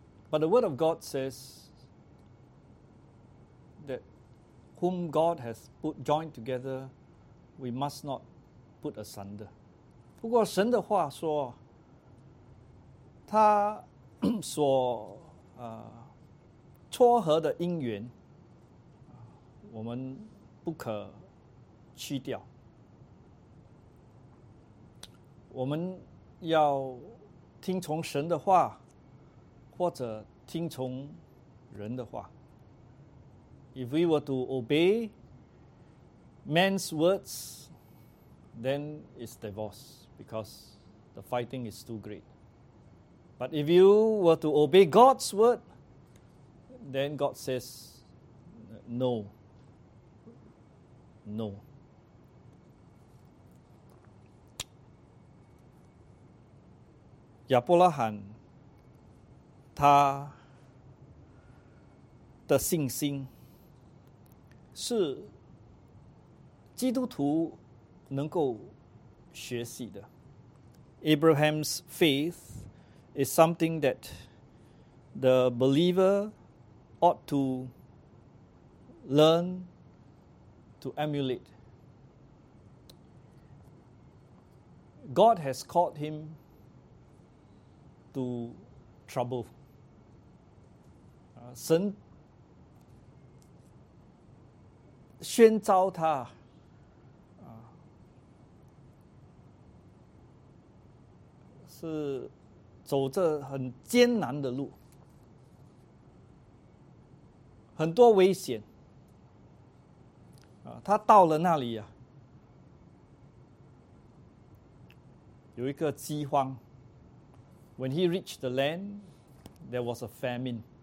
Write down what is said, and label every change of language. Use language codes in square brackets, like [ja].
[en] But the word of God says that whom God has put joined together, we must not put asunder. [zh] 不过神的话说，他所撮合的姻缘，我们不可去掉。我们要听从神的话，或者听从人的话。 [en] If we were to obey man's words, then it's divorce because the fighting is too great. But if you were to obey God's word, then God says, no, no. [zh] 亚伯拉罕他的信心是基督徒能够学习的。 [en] Abraham's faith is something that the believer ought to learn to emulate. God has called him to trouble. [zh] 神宣召他是走着很艰难的路，很多危险他到了那里有一个饥荒。 [en] When he reached the land, there was a famine.